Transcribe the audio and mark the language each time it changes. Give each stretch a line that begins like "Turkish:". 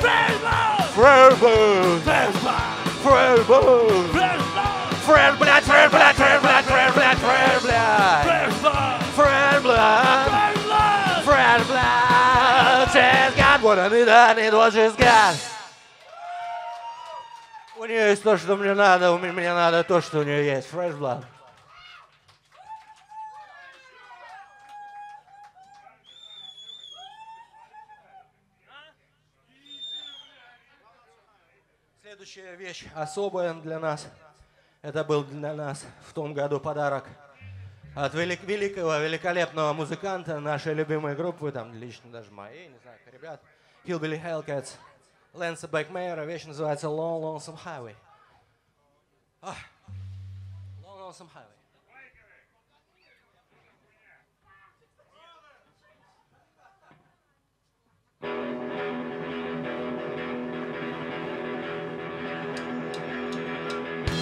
English: fresh blood, fresh blood, fresh blood, fresh blood, fresh blood, fresh blood, fresh blood, fresh blood, fresh blood, fresh blood, fresh blood, just got what I need, I need what you got.
Russian: У нее есть то, что мне надо, мне надо то, что у нее есть.
English: Fresh blood.
Russian: Следующая вещь особая для нас. Это был для нас в том году подарок от великого, великолепного музыканта нашей любимой группы, там лично даже моей, не знаю, ребят, Hillbilly Hellcats, Лэнса Бэкмейера. Вещь называется Long Lonesome Highway.
English: Oh. Long Lonesome Highway. Thank you.